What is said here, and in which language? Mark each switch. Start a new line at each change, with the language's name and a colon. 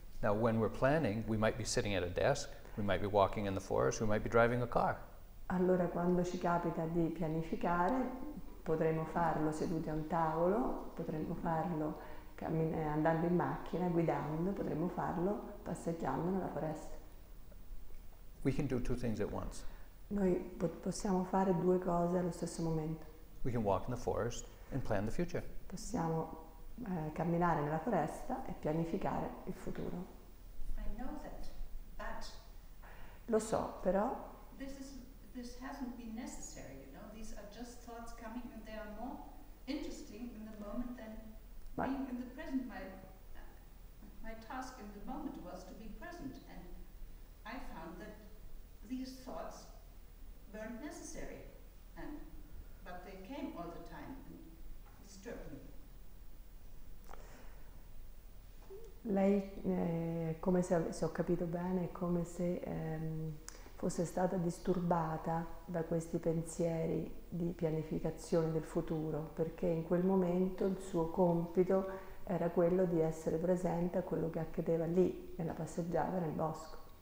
English: Now when we're planning, we might be sitting at a desk, we might be walking in the forest, we might be driving a car.
Italian: Allora, quando ci capita di pianificare, potremmo farlo seduti a un tavolo, potremmo farlo andando in macchina, guidando, potremmo farlo passeggiando nella foresta.
English: We can do two things at once.
Italian: Noi possiamo fare due cose allo stesso momento.
English: We can walk in the forest and plan the future.
Italian: Possiamo camminare nella foresta e pianificare il futuro.
English: I know that, but
Italian: Lo so, però.
English: This hasn't been necessary, you know. These are just thoughts coming, and they are more interesting in the moment than being in the present. My task in the moment was to be present, and I found that these thoughts weren't necessary, but they came all the time and disturbed me.
Italian: Lei, come se ho capito bene, è come se fosse stata disturbata da questi pensieri di pianificazione del futuro, perché in quel momento il suo compito era quello di essere presente a quello che accadeva lì, nella passeggiata nel bosco.